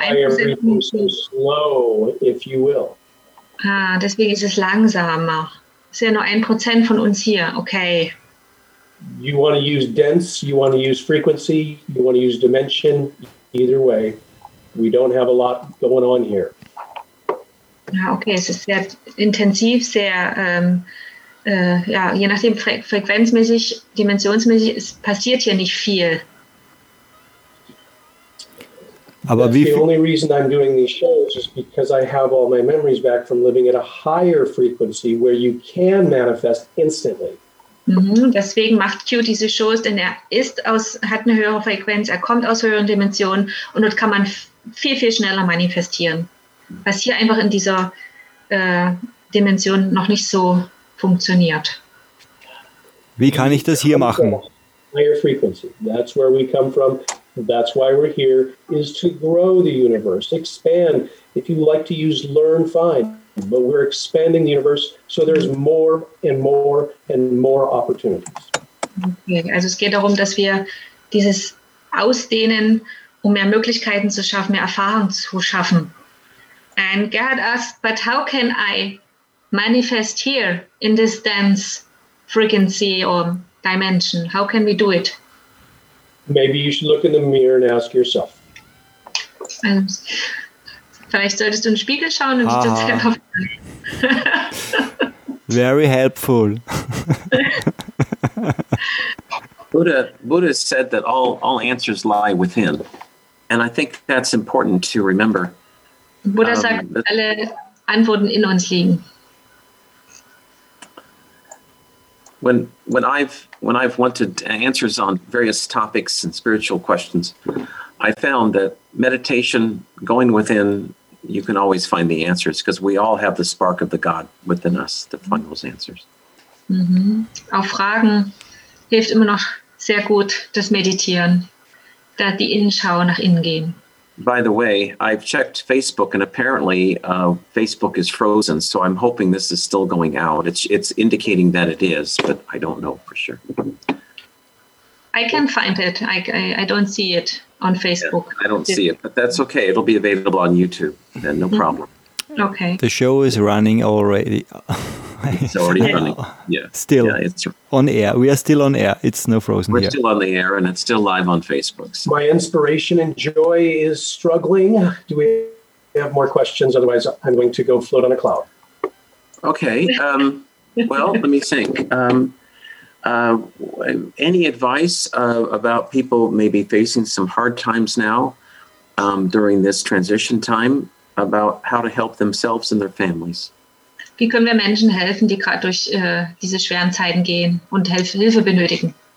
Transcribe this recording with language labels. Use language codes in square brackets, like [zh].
[en] That's why I'm reading so slow, if you will. [de] Ah, deswegen ist es langsamer. Es ist ja nur 1% von uns hier. Okay. [en] You want to use dense, you want to use frequency, you want to use dimension, either way. We don't have a lot going on here. [de] Ah, okay, es ist sehr intensiv, sehr, je nachdem, frequenzmäßig, dimensionsmäßig, es passiert hier nicht viel. Aber [en] the only reason I'm doing these shows is because I have all my memories back from living at a higher frequency where you can manifest instantly. [de] Deswegen macht Q diese Shows, denn er ist aus, hat eine höhere Frequenz, er kommt aus höheren Dimensionen und dort kann man viel, viel schneller manifestieren. Was hier einfach in dieser Dimension noch nicht so funktioniert. Wie kann ich das hier machen? [en] Higher frequency. That's where we come from. That's why we're here, is to grow the universe, expand. If you like to use learn, fine. But we're expanding the universe, so there's more and more and more opportunities. Okay. [de] Also es geht darum, dass wir dieses Ausdehnen, um mehr Möglichkeiten zu schaffen, mehr Erfahrung zu schaffen. [en] And Gerhard asked, but how can I manifest here in this dense frequency or dimension? How can we do it? Maybe you should look in the mirror and ask yourself. [de] Vielleicht solltest du in den Spiegel schauen und dich das selber fragen. [en] Very helpful. Buddha said that all answers lie within. And I think that's important to remember. [de] Buddha sagt, alle Antworten in uns liegen. [en] When I've wanted answers on various topics and spiritual questions, I found that meditation, going within, you can always find the answers because we all have the spark of the God within us to find those answers. Mm-hmm. [de] Auf Fragen hilft immer noch sehr gut das Meditieren, da die Innenschau nach innen gehen. [en] By the way, I've checked Facebook and apparently Facebook is frozen, so I'm hoping this is still going out. It's indicating that it is, but I don't know for sure. I can find it. I don't see it on Facebook. Yeah, I don't see it, but that's okay. It'll be available on YouTube, then no problem. Okay. The show is running already. It's already running. Yeah. Still. Yeah, it's on air. We are still on air. It's no frozen. We're here. Still on the air and it's still live on Facebook. So. My inspiration and joy is struggling. Do we have more questions? Otherwise, I'm going to go float on a cloud. Okay. Well, let me think. Any advice about people maybe facing some hard times now during this transition time about how to help themselves and their families? [de] Wie können wir Menschen helfen, die gerade durch diese schweren Zeiten gehen und Hilfe benötigen?